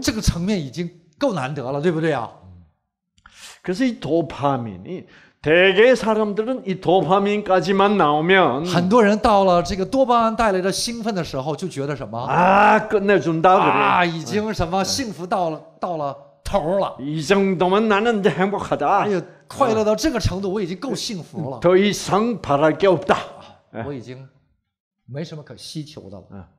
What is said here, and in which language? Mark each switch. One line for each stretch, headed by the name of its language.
Chinese: 这个层面已经够难得了，对不对啊？
Korean: 그래서이도파민이대개사람들은이도파민까지만나오면
Chinese: 很多人到了这个多巴胺带来的兴奋的时候，就觉得什么
Korean: 啊，끝내준다그래
Chinese: 啊，已经什么幸福到了，到了头了。
Korean: 이정도면나는행복하다。
Chinese: 哎呀，快乐到这个程度，我已经够幸福了。
Korean: 더이상바랄게없다。
Chinese: 我已经没什么可希求的了。